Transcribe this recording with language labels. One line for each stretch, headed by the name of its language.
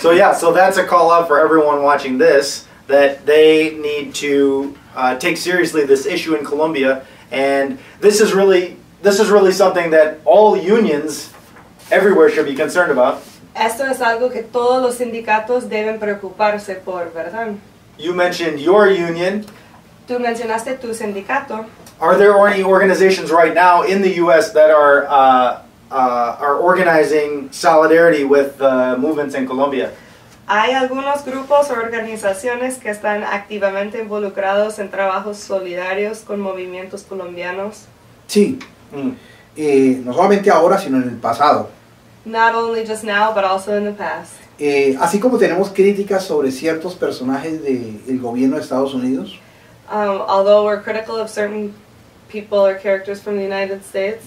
English: So yeah, so that's a call out for everyone watching this, that they need to take seriously this issue in Colombia. And this is really something that all unions everywhere should be concerned about.
Spanish: Esto es algo que todos los sindicatos deben preocuparse por, ¿verdad?
English: You mentioned your union.
Spanish: Tú mencionaste tu sindicato.
English: Are there any organizations right now in the U.S. that are organizing solidarity with the movements in Colombia?
Spanish: Hay algunos grupos o organizaciones que están activamente involucrados en trabajos solidarios con movimientos colombianos. Sí. Mm. No solamente ahora, sino en el pasado.
English: Not only just now, but also in the past.
Spanish: Así como tenemos críticas sobre ciertos personajes del gobierno de Estados Unidos.
English: Although we're critical of certain people or characters from the United States,